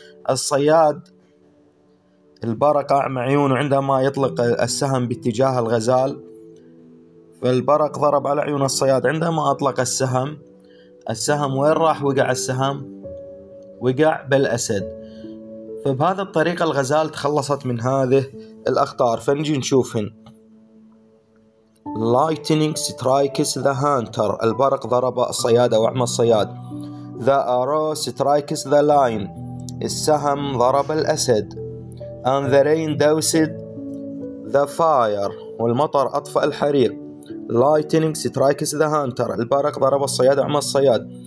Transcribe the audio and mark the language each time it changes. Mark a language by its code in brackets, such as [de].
[ar] الصياد البرقع معيونه عندما يطلق السهم باتجاه الغزال، فالبرق ضرب على عيون الصياد. عندما أطلق السهم، السهم وين راح؟ وقع السهم، وقع بالأسد. فبهذه الطريقة الغزال تخلصت من هذه الأخطار. فنجي نشوفهن: [en] Lightning strikes the hunter. [ar] البرق ضرب الصياد أو أعمى الصياد. [en] The arrow strikes the lion. [ar] السهم ضرب الأسد. [en] And the rain doused the fire. [ar] والمطر أطفأ الحريق. [en] Lightning strikes the hunter. [ar] البرق ضرب الصياد أعمى الصياد.